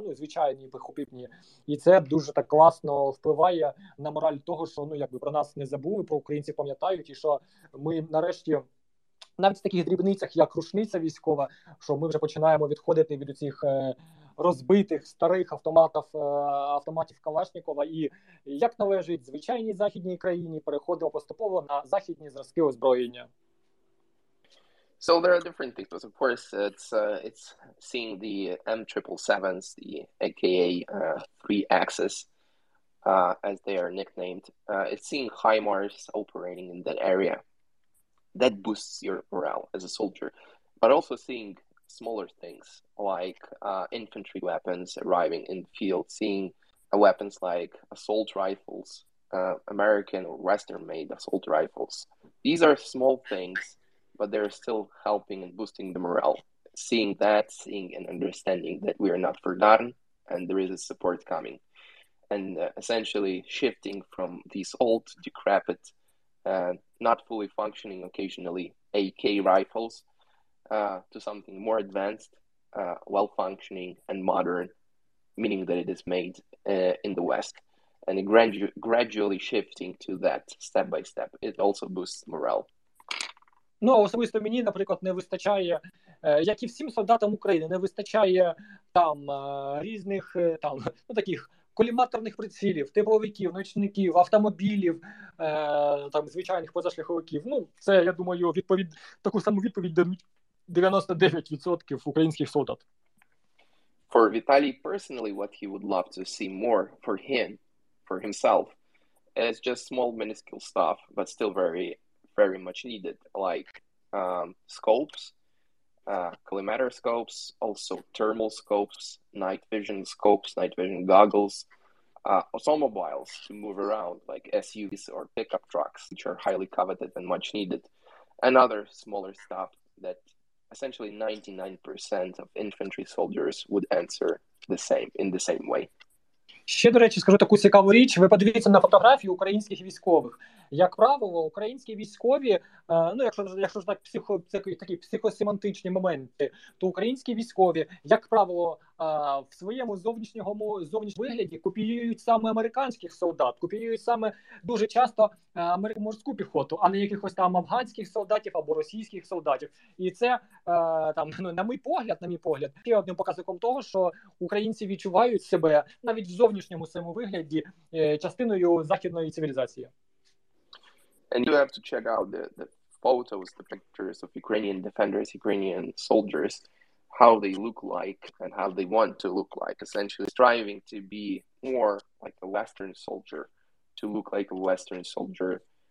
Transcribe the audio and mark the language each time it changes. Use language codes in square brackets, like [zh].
[uk] Ну, звичайні, піхотинці. І це дуже так класно впливає на мораль того, що, ну, якби про нас не забули, про українців пам'ятають, і що ми нарешті навіть в таких дрібницях, як рушниця військова, що ми вже починаємо відходити від цих розбитих старих автоматів Калашникова, і як належить звичайній західній країні, переходимо поступово на західні зразки озброєння. [en] So there are different things, but of course it's seeing the M777s, the AKA 3Xs, as they are nicknamed. It's seeing HIMARS operating in that area. That boosts your morale as a soldier. But also seeing smaller things like infantry weapons arriving in the field, seeing weapons like assault rifles, American or Western-made assault rifles. These are small things, but they're still helping and boosting the morale. Seeing that, seeing and understanding that we are not forgotten and there is a support coming. And essentially shifting from these old, decrepit, not fully functioning occasionally AK rifles to something more advanced, well-functioning and modern, meaning that it is made in the West. And gradually shifting to that step by step, it also boosts morale. [uk] Ну, особисто мені, наприклад, не вистачає, як і всім солдатам України, не вистачає там різних там, ну, таких коліматорних прицілів, тепловиків, ночників, автомобілів, там, звичайних позашляховиків. Ну, це, я думаю, відповідь, таку саму відповідь дадуть 99% українських солдат. [en] For Vitalii personally, what he would love to see more for him, for himself, is just small minuscule stuff, but still very, very much needed, like scopes, collimator scopes, also thermal scopes, night vision scopes, night vision goggles, automobiles to move around, like SUVs or pickup trucks, which are highly coveted and much needed, and other smaller stuff that essentially 99% of infantry soldiers would answer the same in the same way. [uk] Ще, до речі, скажу таку цікаву річ. Ви подивіться на фотографії українських військових. Як правило, українські військові, ну, якщо ж так, такі психосемантичні моменти, то українські військові, як правило, в своєму зовнішньому вигляді копіюють саме американських солдат, копіюють саме дуже часто морську піхоту, а не якихось там афганських солдатів або російських солдатів. І це, там, ну, на мій погляд, є одним показником того, що українці відчувають себе навіть в зовнішньому своєму вигляді частиною західної цивілізації. [en] And you have to check out the photos, the pictures of Ukrainian defenders, Ukrainian soldiers, how they look like and how they want to look like, essentially striving to be more like a Western soldier, to look like a Western soldier.